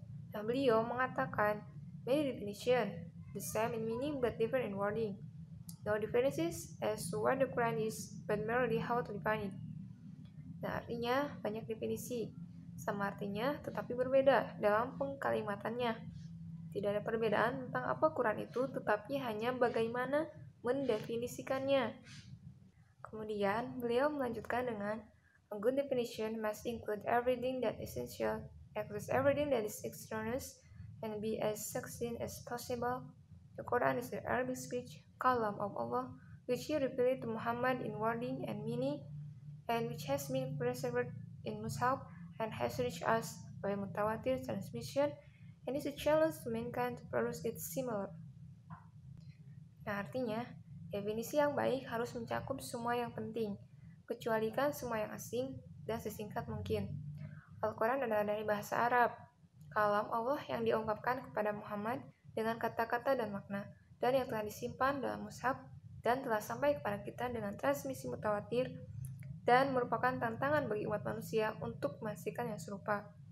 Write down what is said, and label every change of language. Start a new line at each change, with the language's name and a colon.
Indonesian: Nah, beliau mengatakan,
English: many definition, the same in meaning but different in wording. No differences as to what the Quran is, but merely how to define it.
Indonesian: Nah, artinya banyak definisi, sama artinya tetapi berbeda dalam pengkalimatannya. Tidak ada perbedaan tentang apa Quran itu, tetapi hanya bagaimana mendefinisikannya. Kemudian beliau melanjutkan dengan,
English: a good definition must include everything that is essential, access everything that is extraneous, and be as succinct as possible. The Quran is the Arabic speech, kalam of Allah, which he revealed to Muhammad in wording and meaning, and which has been preserved in Mus'haf and has reached us by mutawatir transmission, and is a challenge to mankind to produce it similar.
Indonesian: Nah, artinya, definisi yang baik harus mencakup semua yang penting, kecualikan semua yang asing dan sesingkat mungkin. Al-Quran adalah dari bahasa Arab, kalam Allah yang diungkapkan kepada Muhammad dengan kata-kata dan makna, dan yang telah disimpan dalam mushaf dan telah sampai kepada kita dengan transmisi mutawatir, dan merupakan tantangan bagi umat manusia untuk menghasilkan yang serupa.